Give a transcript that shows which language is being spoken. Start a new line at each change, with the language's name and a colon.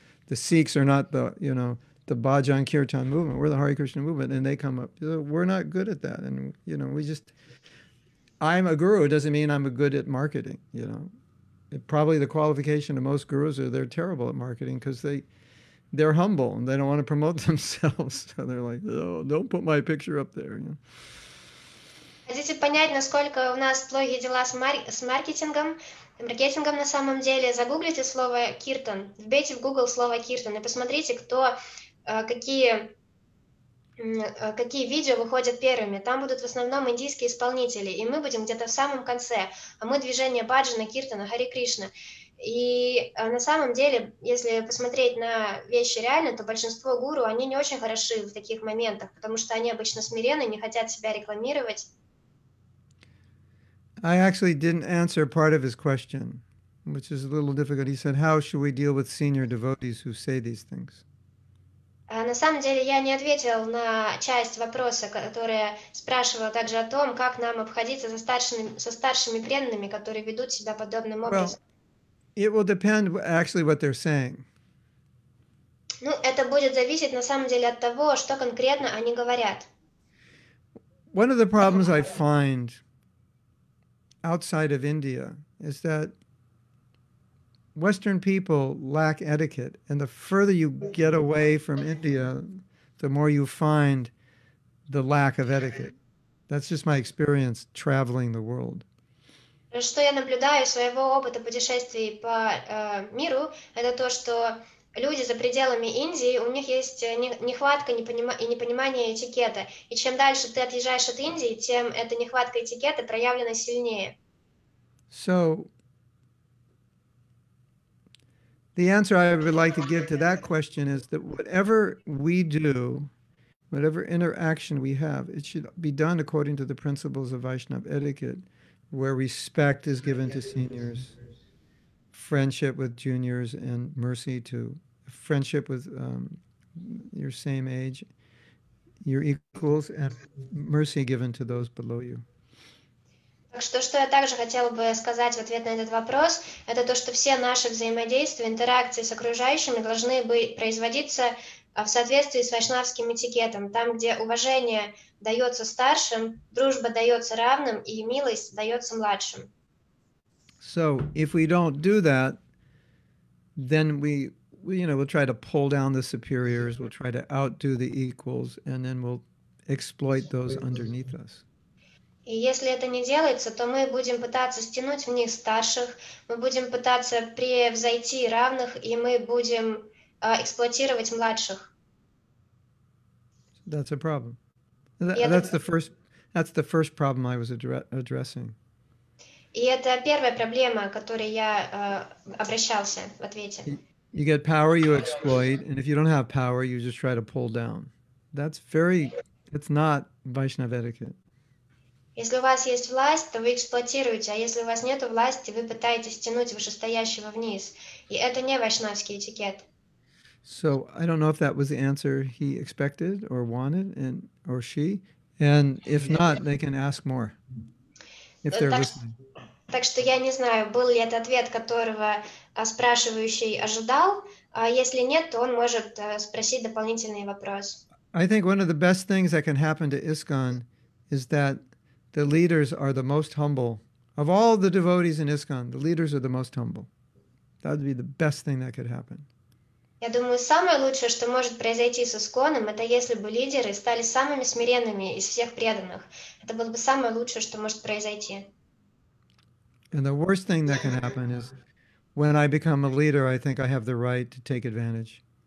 English: The Sikhs are not the, you know, the Bhajan Kirtan movement. We're the Hare Krishna movement, and they come up. You know, we're not good at that. And, you know, we just, I'm a guru doesn't mean I'm good at marketing, you know. Probably the qualification of most gurus are they're terrible at marketing because they're humble and they don't want to promote themselves. So they're like, oh, don't put my picture up there. You know?
Russian: Хотите понять, насколько у нас плохие дела с маркетингом, маркетингом на самом деле? Загуглите слово «киртан», вбейте в Google слово «киртан» и посмотрите, кто, какие видео выходят первыми. Там будут в основном индийские исполнители, и мы будем где-то в самом конце, а мы движение Баджана, Киртана, Хари Кришна. И на самом деле, если посмотреть на вещи реально, то большинство гуру, они не очень хороши в таких моментах, потому что они обычно смиренны, не хотят себя рекламировать.
English: I actually didn't answer part of his question, which is a little difficult. He said, how should we deal with senior devotees who say these things?
Russian: На самом деле я не ответил на часть вопроса, которая спрашивала также о том, как нам обходиться со старшими преданными, которые ведут себя подобным образом.
English: Well, it will depend actually what they're saying.
Russian: Ну, это будет зависеть на самом деле от того, что конкретно они говорят.
English: One of the problems I find outside of India is that Western people lack etiquette, and the further you get away from India, the more you find the lack of etiquette. That's just my experience traveling the world.
Russian: Что я наблюдаю из своего опыта путешествий по миру, это то, что люди за пределами Индии, у них есть нехватка и непонимание этикета. И чем дальше ты отъезжаешь от Индии, тем эта нехватка этикета проявлена сильнее.
English: So, the answer I would like to give to that question is that whatever we do, whatever interaction we have, it should be done according to the principles of Vaishnava etiquette, where respect is given to seniors, friendship with juniors, and mercy to friendship with your same age, your equals, and mercy given to those below you.
Russian: Так что, что я также хотела бы сказать в ответ на этот вопрос, это то, что все наши взаимодействия, интеракции с окружающими должны быть производиться в соответствии с вайшнавским этикетом. Там, где уважение дается старшим, дружба дается равным и милость дается младшим.
English: So, if we don't do that, then we, you know, we'll try to pull down the superiors, we'll try to outdo the equals, and then we'll exploit those underneath us.
Russian: И если это не делается, то мы будем пытаться стянуть в них старших, мы будем пытаться превзойти равных, и мы будем эксплуатировать младших.
English: That's a problem. That's the first problem I was addressing.
Russian: И это первая проблема, к которой я обращался в ответе.
English: You get power, you exploit, and if you don't have power, you just try to pull down. It's not Vaishnava etiquette.
Russian: Если у вас есть власть, то вы эксплуатируете, а если у вас нет власти, вы пытаетесь стянуть вышестоящего вниз. И это не вайшнавский этикет.
English: So, I don't know if that was the answer he expected or wanted, and or she. And if not, they can ask more. If they're listening.
Russian: Так что я не знаю, был ли это ответ, которого спрашивающий ожидал. А если нет, то он может спросить дополнительный вопрос.
English: I think one of the best things that can happen to ISKCON is that the leaders are the most humble. Of all the devotees in ISKCON, the leaders are the most humble. That would be the best thing that could happen.
Russian: Я думаю, самое лучшее, что может произойти с ISKCON-ом, это если бы лидеры стали самыми смиренными из всех преданных. Это было бы самое лучшее, что может произойти.
English: And the worst thing that can happen is when I become a leader, I think I have the right to take advantage.